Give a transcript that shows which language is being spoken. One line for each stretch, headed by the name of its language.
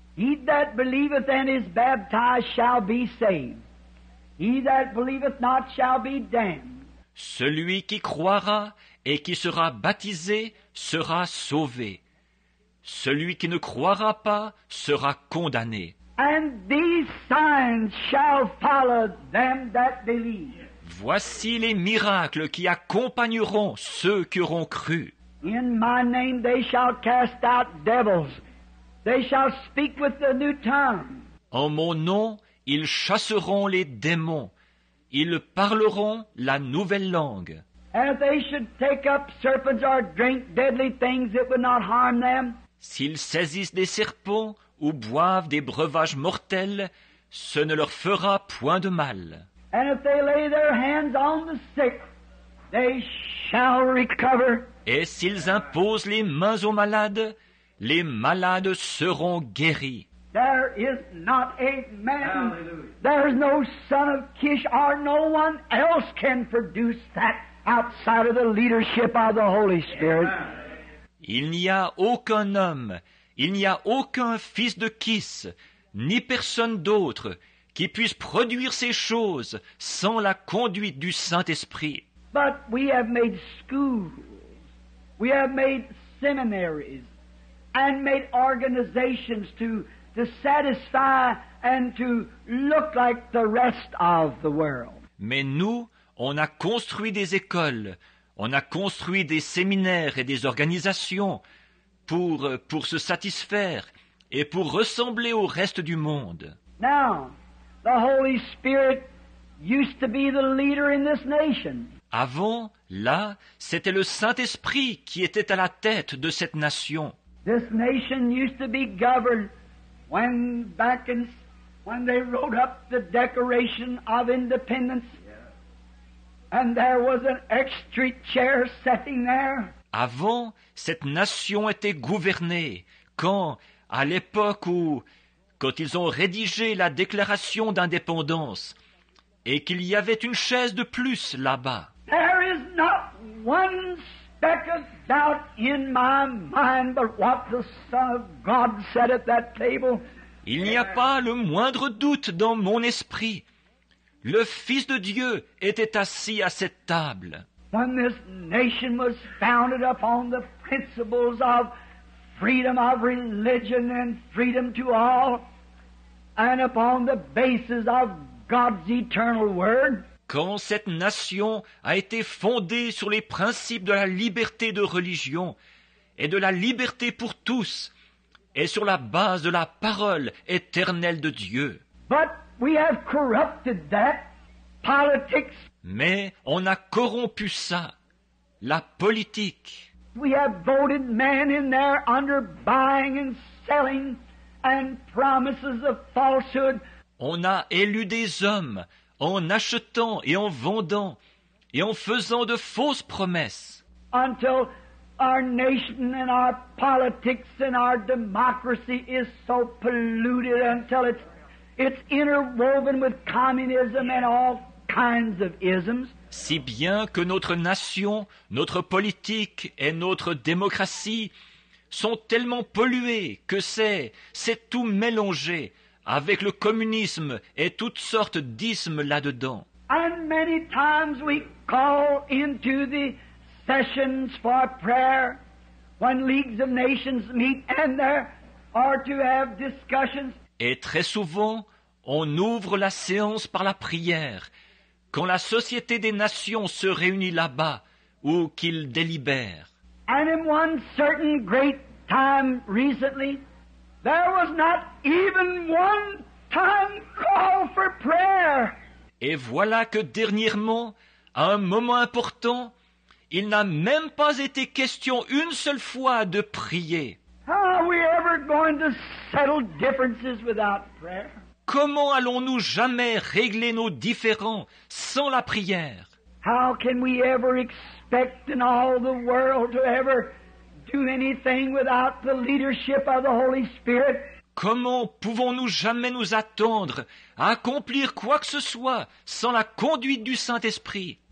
English: He that believeth and is baptized shall be saved. He that believeth not shall be damned.
French: Celui qui croira et qui sera baptisé sera sauvé. Celui qui ne croira pas sera condamné.
English: And these signs shall follow them that believe.
French: Voici les miracles qui accompagneront ceux qui auront cru.
English: In my name they shall cast out devils. They shall speak with the new tongue.
French: En mon nom, ils chasseront les démons. Ils parleront la nouvelle langue.
English: And if they should take up serpents or drink deadly things, it would not harm them.
French: S'ils saisissent des serpents ou boivent des breuvages mortels, ce ne leur fera point de mal.
English: And if they lay their hands on the sick, they shall recover.
French: Et s'ils imposent les mains aux malades, Les malades seront guéris.
English: There is not a man. Hallelujah. There is no son of Kish or no one else can produce that outside of the leadership of the Holy Spirit.
French: Il n'y a aucun homme, il n'y a aucun fils de Kiss, ni personne d'autre qui puisse produire ces choses sans la conduite du Saint-Esprit.
English: But we have made schools, we have made seminaries, and made organizations to satisfy and to look like the rest of the world.
French: Mais nous, on a construit des écoles, on a construit des séminaires et des organisations pour se satisfaire et pour ressembler au reste du monde.
English: Now, the Holy Spirit used to be the leader in this nation.
French: Avant, là, c'était le Saint-Esprit qui était à la tête de cette nation.
English: This nation used to be governed when back in when they wrote up the Declaration of Independence. And there was an extra chair sitting there.
French: Avant, cette nation était gouvernée quand, à l'époque où, quand ils ont rédigé la déclaration d'indépendance, et qu'il y avait une chaise de plus là-bas.
English: There is not one speck of doubt in my mind but what the Son of God said at that table.
French: Il n'y a pas le moindre doute dans mon esprit. Le Fils de Dieu était assis à cette table.
English: When this nation was founded upon the principles of freedom of religion and freedom to all, and upon the basis of God's eternal word.
French: Quand cette nation a été fondée sur les principes de la liberté de religion et de la liberté pour tous, et sur la base de la parole éternelle de Dieu.
English: But we have corrupted that politics.
French: Mais on a corrompu ça, la politique.
English: We have voted men in there under buying and selling and promises of falsehood.
French: On a élu des hommes en achetant et en vendant et en faisant de fausses promesses.
English: Until our nation and our politics and our democracy is so polluted until it's interwoven with communism and all kinds of isms.
French: Si bien que notre nation, notre politique et notre démocratie sont tellement polluées que c'est tout mélangé avec le communisme et toutes sortes d'ismes là-dedans.
English: And many times we call into the sessions for prayer when leagues of nations meet and there are to have discussions.
French: Et très souvent, on ouvre la séance par la prière, quand la Société des Nations se réunit là-bas, ou qu'ils délibèrent.
English: And in one certain great time recently, there was not even one time call for prayer.
French: Et voilà que dernièrement, à un moment important, il n'a même pas été question une seule fois de prier.
English: How are we ever going to settle differences without prayer?
French: Comment allons-nous jamais régler nos différends sans la prière?
English: How can we ever expect in all the world to ever do anything without the leadership of the Holy Spirit?
French: Comment pouvons-nous jamais nous attendre à accomplir quoi que ce soit sans la conduite du Saint-Esprit?